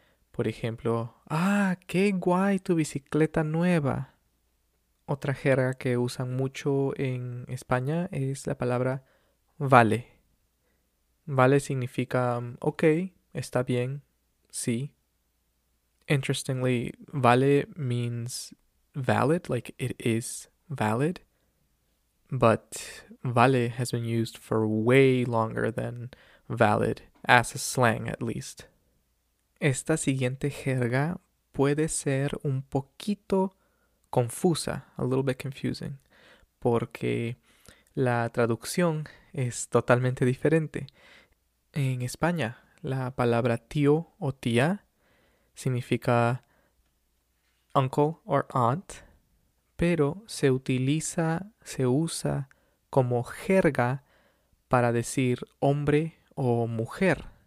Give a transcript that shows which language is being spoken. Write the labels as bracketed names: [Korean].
[Spanish] Por ejemplo, ¡ah, qué guay tu bicicleta nueva! Otra jerga que usan mucho en España es la palabra vale. Vale significa ok, está bien, sí. [English] Interestingly, vale means valid, like it is valid. But vale has been used for way longer than valid, as a slang at least. [Spanish] Esta siguiente jerga puede ser un poquito confusa, [English] a little bit confusing, [Spanish] porque la traducción es totalmente diferente. En España, la palabra tío o tía significa [English] uncle or aunt, [Spanish] pero se usa como jerga para decir hombre o mujer.